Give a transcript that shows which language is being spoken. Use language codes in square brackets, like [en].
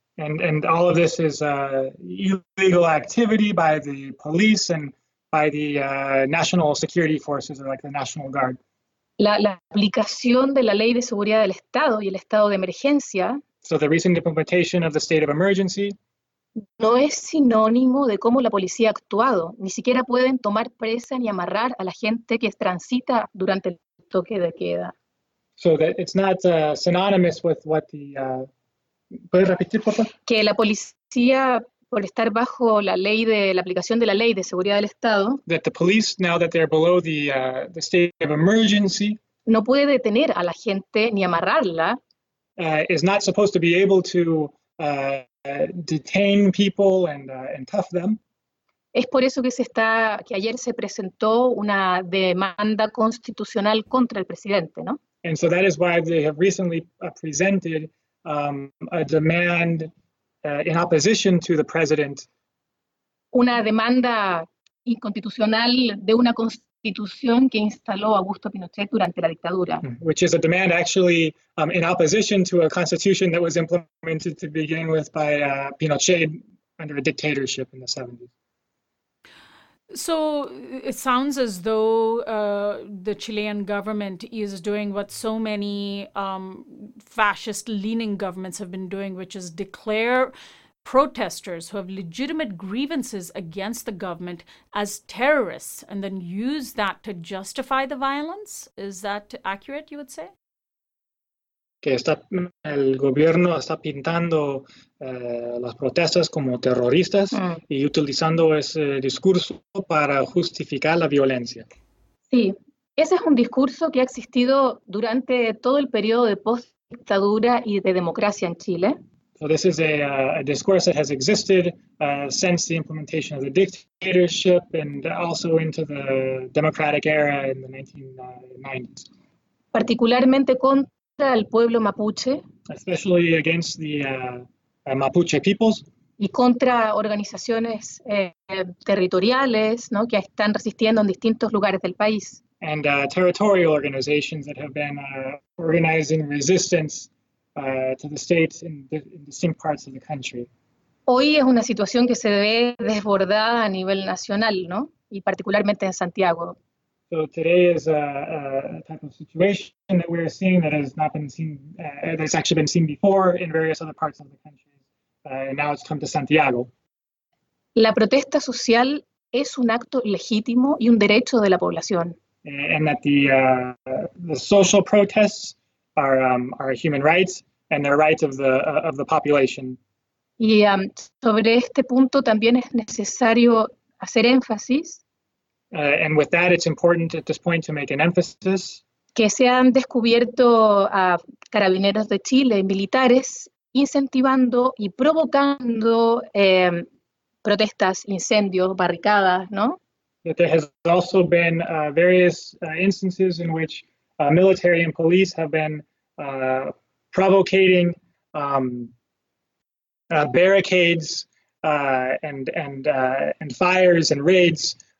[en] And all of this is illegal activity by the police and by the national security forces, or like the National Guard. [es] La aplicación de la ley de seguridad del Estado y el estado de emergencia. [en] So the recent implementation of the state of emergency. [es] No es sinónimo de cómo la policía ha actuado. Ni siquiera pueden tomar presa ni amarrar a la gente que transita durante el toque de queda. [en] So that it's not synonymous with what the. [es] ¿Puedes repetir, por favor? Que la policía por estar bajo la ley de la aplicación de la ley de seguridad del Estado, [en] that the police, now that they're below the state of emergency, [es] no puede detener a la gente ni amarrarla, [en] is not supposed to be able to detain people and cuff them. [es] Es por eso que ayer se presentó una demanda constitucional contra el presidente, ¿no? [en] And so that is why they have recently presented a demand in opposition to the president. [es] Una demanda inconstitucional de una constitución que instaló Augusto Pinochet durante la dictadura. [en] Which is a demand actually in opposition to a constitution that was implemented to begin with by Pinochet under a dictatorship in the 70s. So it sounds as though the Chilean government is doing what so many fascist-leaning governments have been doing, which is declare protesters who have legitimate grievances against the government as terrorists and then use that to justify the violence. Is that accurate, you would say? [es] Que está, el gobierno está pintando las protestas como terroristas y utilizando ese discurso para justificar la violencia. Sí, ese es un discurso que ha existido durante todo el periodo de post-dictadura y de democracia en Chile. [en] So this is a discourse that has existed since the implementation of the dictatorship and also into the democratic era in the 1990s. [es] Particularmente al pueblo mapuche, [en] especially against the Mapuche peoples, [es] y contra organizaciones territoriales, ¿no?, que están resistiendo en distintos lugares del país, [en] and territorial organizations that have been organizing resistance to the state in distinct parts of the country. [es] Hoy es una situación que se ve desbordada a nivel nacional, ¿no?, y particularmente en Santiago. [en] So today is a type of situation that we're seeing that has not been seen, that's actually been seen before in various other parts of the country, and now it's come to Santiago. [es] La protesta social es un acto legítimo y un derecho de la población. [en] And that the social protests are human rights and they're rights of the population. [es] Y sobre este punto también es necesario hacer énfasis. [en] And with that, it's important at this point to make an emphasis. [es] Que se han descubierto a carabineros de Chile, militares, incentivando y provocando protestas, incendios, barricadas, ¿no? [en] That there has also been various instances in which military and police have been provocating barricades and fires and raids.